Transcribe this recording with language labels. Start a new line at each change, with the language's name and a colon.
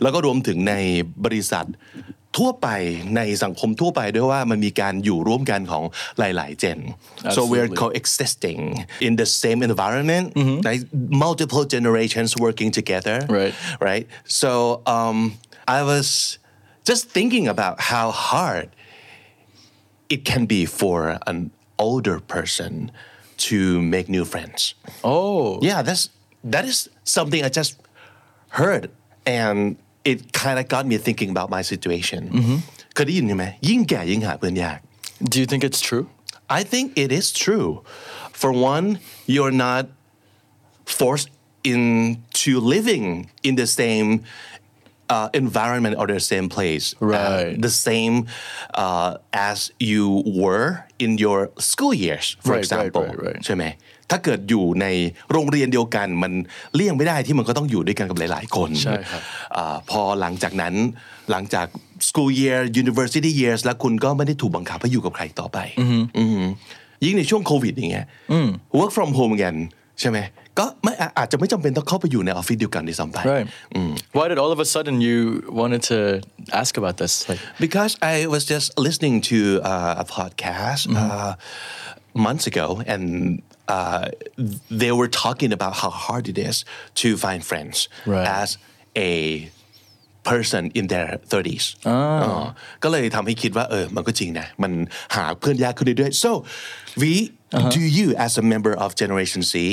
Thai: แล้วก็รวมถึงในบริษัททั่วไปในสังคมทั่วไปด้วยว่ามันมีการอยู่ร่วมกันของหลายๆเจน
English: so we're coexisting in the same environment mm-hmm. like multiple generations working together right so I was just thinking about how hard it can be for an older personTo make new friends. Oh, yeah. That is something I just heard, and it kind of got me thinking about my situation. Could you hear me?
Thai: ยิ่งแก่ยิ่งหาเพื่อนยาก
English: Do you think it's true? I think it is true. For one, you're not forced into living in the same environment or the same place, right? The same as you were. In your school years, for example,
Thai: ใช่ไหมถ้าเกิดอยู่ในโรงเรียนเดียวกันมันเลี่ยงไม่ได้ที่มันก็ต้องอยู่ด้วยกันกับหลายๆคน ใช่ครับ พอหลังจากนั้นหลังจาก
English: school year university years
Thai: แล้วคุณก็ไม่ได้ถูกบังคับให้อยู่กับใครต่อไปยิ่งในช่วงโควิดอย่างเงี้ย
English: work from home again
Thai: ใช่ไหมก็ไม่อาจจะไม่จำเป็นต้องเข้าไปอยู่ในออฟฟิศเดียวกันในสัมภา
English: ษณ์ Why did all of a sudden you wanted to ask about this? Because I was just listening to a podcast months ago, and they were talking about how hard it is to find friends as a person in their 30s.
Thai: ก็เลยทำให้คิดว่าเออมันก็จริงนะมันหาเพื่อนยากขึ้นเรื่อยๆ
English: So, we do you as a member of Generation Z?